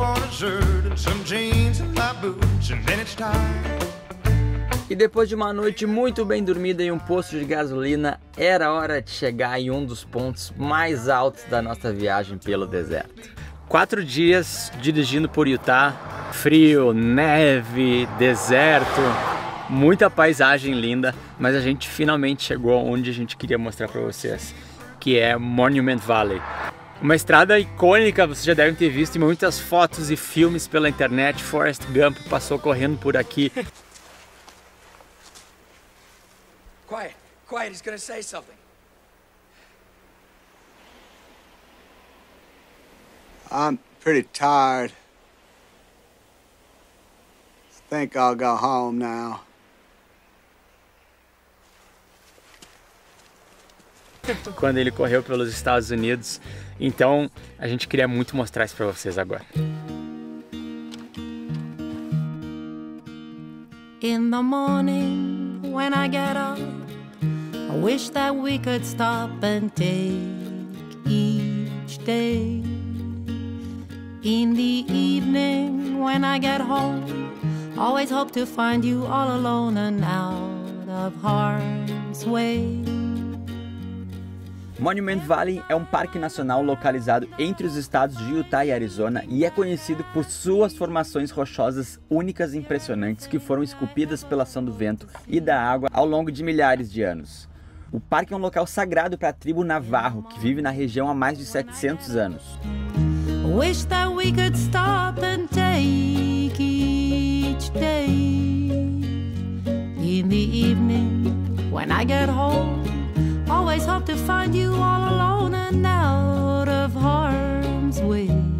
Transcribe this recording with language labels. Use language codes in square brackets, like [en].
[en] shirt and some jeans and my boots, and then it's time. [pt] E depois de uma noite muito bem dormida em um posto de gasolina, era hora de chegar em um dos pontos mais altos da nossa viagem pelo deserto. 4 dias dirigindo por Utah, frio, neve, deserto, muita paisagem linda, mas a gente finalmente chegou onde a gente queria mostrar para vocês, que é Monument Valley. Uma estrada icônica, vocês já devem ter visto em muitas fotos e filmes pela internet, Forrest Gump passou correndo por aqui. [en] Quiet, he's gonna say something. I'm pretty tired. I think I'll go home now. [pt] Quando ele correu pelos Estados Unidos, então a gente queria muito mostrar isso pra vocês agora. [en] In the morning, when I get up, I wish that we could stop and take each day. In the evening, when I get home, always hope to find you all alone and out of harm's way. [pt] Monument Valley é um parque nacional localizado entre os estados de Utah e Arizona e é conhecido por suas formações rochosas únicas e impressionantes que foram esculpidas pela ação do vento e da água ao longo de milhares de anos. O parque é um local sagrado para a tribo Navarro, que vive na região há mais de 700 anos. [en] Wish that we could stop and take each day. In the evening, when I get home, always hope to find you all alone and out of harm's way.